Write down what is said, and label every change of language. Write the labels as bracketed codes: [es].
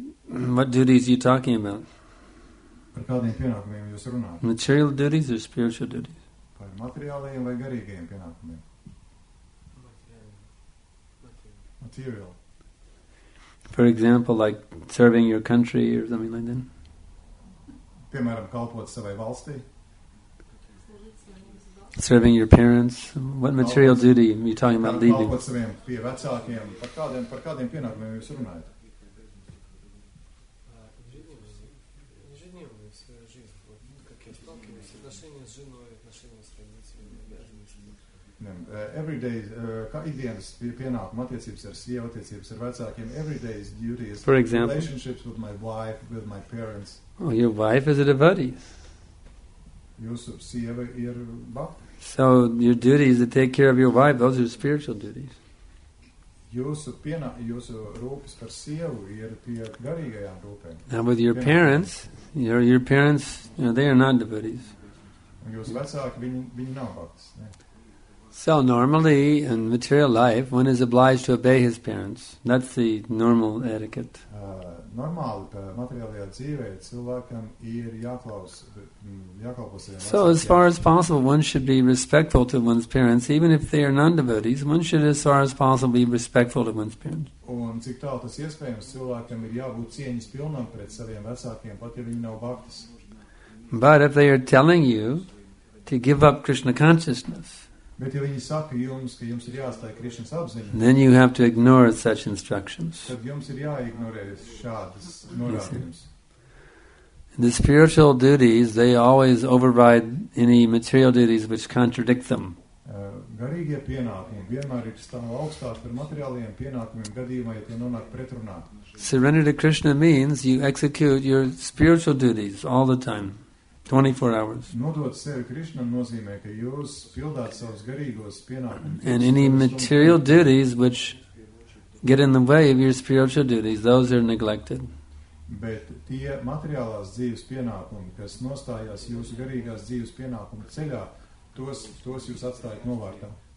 [en] What duties are you talking about? [lv] Par kādiem pienākumiem jūs runāt? [en] Material duties or spiritual duties? [lv] Par materiālajiem vai garīgajiem pienākumiem? [en] Material. For example, like serving your country or something like that? [lv] Piemēram, kalpot savai valstī? [en] Serving your parents? What material duty are you talking about leaving? [lv] Kalpot saviem pie vecākiem. Par kādiem pienākumiem jūs runāt? Ikdienas pienākuma attiecības ar sievu, attiecības ar vecākiem. [en] Everyday's duty is for example, relationships with my wife, with my parents. Oh, your wife is a devotee. [lv] Jūsu sieva ir bhakti. [en] So your duty is to take care of your wife. Those are spiritual duties. [lv] Jūsu rūpes par sievu ir pie garīgajām rūpēm. [en] Now with your parents, your parents, they are not devotees. [lv] Jūsu vecāki, viņi nav bhaktis. [en] So normally, in material life, one is obliged to obey his parents. That's the normal etiquette. Normally, in material life, [lv] cilvēkam ir jākalpo saviem. [en] So as far as possible, one should be respectful to one's parents, even if they are non-devotees. One should, as far as possible, be respectful to one's parents. [lv] Un cik tālu tas iespējams, cilvēkam ir jābūt cieņas pilnam pret saviem vecākiem, pat ja viņi nav bhaktis. [en] But if they are telling you to give up Krishna consciousness, [lv] bet ja viņi saka jums, ka jums ir jāatstāj Krišnas apziņa, [en] then you have to ignore such instructions. [lv] Tad jums ir jāignorē šādas norādījumus. [en] The spiritual duties, they always override any material duties which contradict them. [lv] Garīgie pienākumi vienmēr ir stāv augstāk par materiāliem pienākumiem gadījumā, ja tie nonāk pretrunā. [en] Surrender to Krishna means you execute your spiritual duties all the time. 24 hours. [lv] Nodot sevi Krišnam nozīmē, ka jūs pildāt savus garīgos pienākumus. [en] And any material duties which get in the way of your spiritual duties, those are neglected. [lv] Bet tie materiālās dzīves pienākumi, kas nostājās jūsu garīgās dzīves pienākumu ceļā, tos jūs atstājat novārtā.